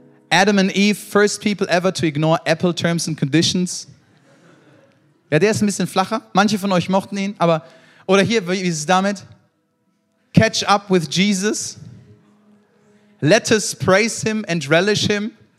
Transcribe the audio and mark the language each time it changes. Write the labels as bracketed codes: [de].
[en] Adam and Eve, first people ever to ignore Apple terms and conditions. [de] Ja, der ist ein bisschen flacher. Manche von euch mochten ihn, aber... Oder hier, wie ist es damit? [en] Catch up with Jesus. Let us praise him and relish him.